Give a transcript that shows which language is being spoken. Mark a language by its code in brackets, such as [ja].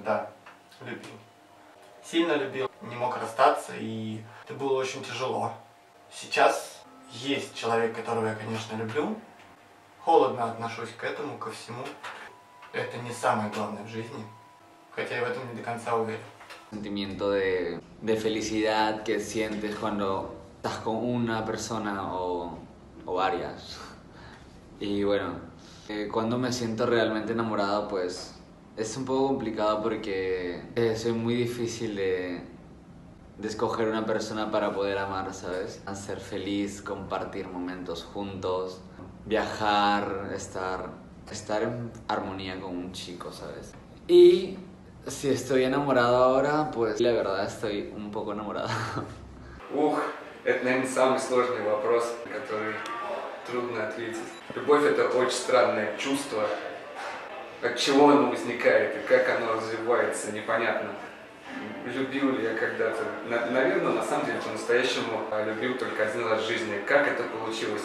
[ru] Да, любил. Сильно любил, не мог расстаться, и это было очень тяжело. Сейчас есть человек, которого я, конечно, люблю. Холодно отношусь к этому, ко всему. Это не самое главное в жизни. Хотя я в этом не до конца уверен. [es] Sentimiento de felicidad que sientes cuando estás con una persona o varias. Y bueno, cuando me siento realmente enamorado, pues es un poco complicado porque soy muy difícil de escoger una persona para poder amar, ¿sabes? Ser feliz, compartir momentos juntos, viajar, estar en armonía con un chico, ¿sabes? Y si estoy enamorado ahora, pues la verdad estoy un poco enamorado. [ru] Ух, это, наверное, самый сложный вопрос, на который трудно ответить. Любовь — это очень странное чувство. От чего оно возникает и как оно развивается, непонятно. Любил ли я когда-то? Наверное, на самом деле, по-настоящему любил только один раз в жизни. Как это получилось?